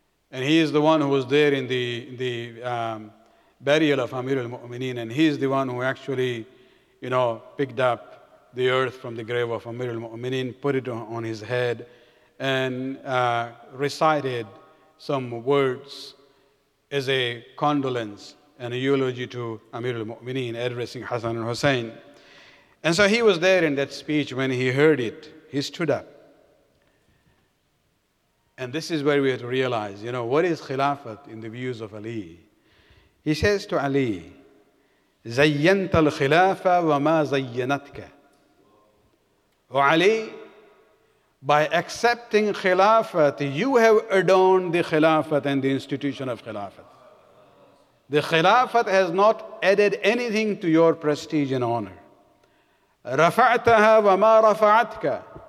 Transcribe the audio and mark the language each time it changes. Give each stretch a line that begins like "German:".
English: And he is the one who was there in the burial of Amir al-Mu'mineen, and he is the one who actually, you know, picked up the earth from the grave of Amir al-Mu'mineen, put it on his head, and recited some words as a condolence and a eulogy to Amir al-Mu'mineen, addressing Hassan and Hussein. And so he was there in that speech. When he heard it, he stood up. And this is where we have to realize, you know, what is Khilafat in the views of Ali? He says to Ali,
Arabic: زينت الخلافة وما زينتك.
English: وعلي, by accepting Khilafat, you have adorned the Khilafat and the institution of Khilafat. The Khilafat has not added anything to your prestige and honor.
Arabic: رفعتها وما رفعتك.